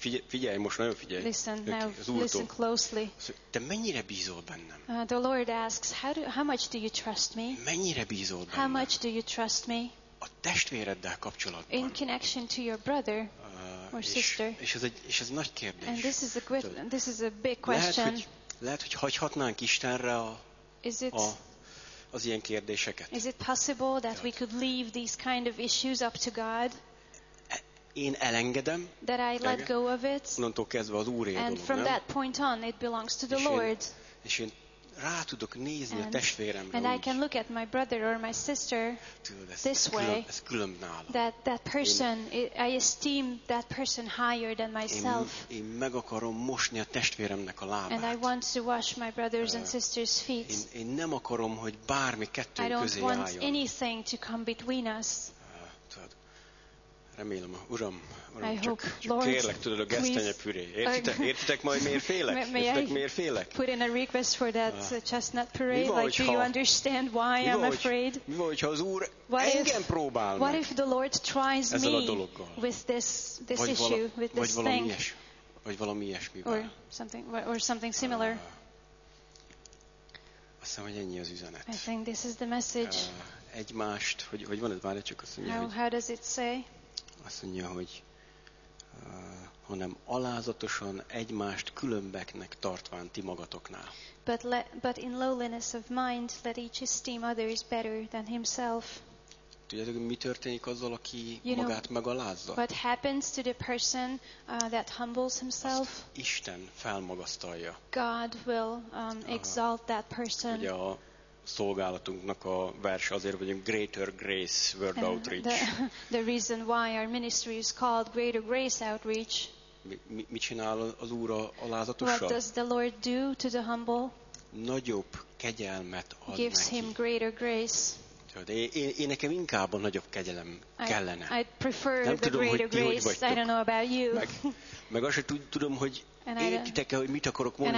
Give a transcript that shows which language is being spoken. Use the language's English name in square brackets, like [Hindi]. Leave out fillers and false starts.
[Hungarian] Figyelj, most nagyon figyelj. [English] Listen, now listen closely. [Hungarian] Te mennyire bízol bennem? [English] The Lord asks, how much do you trust me? [Hungarian] Mennyire bízol bennem? [English] How much do you trust me? [Hungarian] A testvéreddel kapcsolatban. [English] In connection to your brother or sister. [Hungarian] És ez nagy kérdés. [English] And this is a big question. [Hungarian] Lehet, hogy hagyhatnánk Istenre az ilyen kérdéseket. [English] Is it possible that we could leave these kind of issues up to God? [Hungarian] Én elengedem. [English] That I let go of it. [Hungarian] Onnantól kezdve az Úré a dolog, [English] and from [Hungarian] nem? [English] That point on, it belongs to the Lord. [Hungarian] És én rá tudok nézni a testvéremre. [English] And I can look at my brother or my sister this way. [Hungarian] Ez külön nálam. [English] That person, I esteem that person higher than myself. [Hungarian] Én meg akarom mosni a testvéremnek a lábát. [English] And I want to wash my brothers and sisters feet. [Hungarian] Én nem akarom, hogy bármi kettőnk közé álljon. [English] I don't want anything to come between us. [Hungarian] Remélem, Uram, csak kérlek, tudod, a gesztenye püré. Értitek majd, miért félek? [English] Put in a request for that chestnut puree. Like, do you understand why I'm afraid? [Hungarian] Mi van, hogyha az Úr engem próbál meg? [English] What if the Lord tries me with this issue, with this thing? [Hungarian] Vagy valami ilyesmi. [English] Or something similar. [Hungarian] Azt hiszem, hogy ennyi az üzenet. [English] I think this is the message. [Hungarian] Egymást, hogy van ez? Várja, csak azt mondja, hogy... [English] How does it say? [Hungarian] Azt mondja, hogy hanem alázatosan egymást különbeknek tartván ti magatoknál. [English] But in lowliness of mind, let each esteem others better than himself. [Hungarian] Tudjátok, mi történik azzal, aki magát megalázza? [English] What happens to the person that humbles himself? [Hungarian] Azt Isten felmagasztalja. [English] God will exalt that person. [Hungarian] Ugye a szolgálatunknak a verse azért, hogy Greater Grace Word Outreach. [English] The reason why our ministry is called Greater Grace Outreach. [Hungarian] Mit csinál az Úr alázatossal? [English] What does the Lord do to the humble? [Hungarian] Nagyobb kegyelmet ad neki. [English] Gives him greater grace. [Hungarian] Én nekem inkább a nagyobb kegyelem kellene. [English] I prefer [Hungarian] nem [English] the [Hungarian] tudom, [English] greater [Hungarian] hogy ti [English] grace. [Hungarian] Hogy vagytok. [English] I don't know about you. [Hungarian] Meg azt sem tudom, hogy értitek-e, hogy mit akarok mondani